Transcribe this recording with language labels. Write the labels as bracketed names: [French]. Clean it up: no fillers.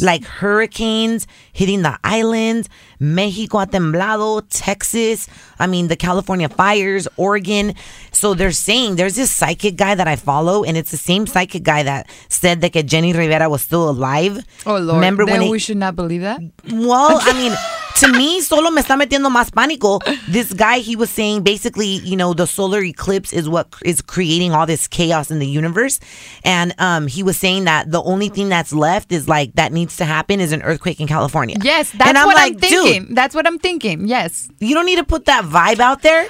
[English] Like hurricanes hitting the islands, [Spanish] Mexico ha temblado, [English] Texas, I mean, the California fires, Oregon. So they're saying, there's this psychic guy that I follow, and it's the same psychic guy that said that Jenny Rivera was still alive. Oh, Lord. Remember then when we should not believe that? Well, I mean, to me, [Spanish] solo me está metiendo más pánico. [English] This guy, he was saying basically, you know, the solar eclipse is what is creating all this chaos in the universe. And he was saying that the only thing that's left is like that needs to happen is an earthquake in California. Yes, that's what I'm thinking. Dude, that's what I'm thinking. Yes. You don't need to put that vibe out there.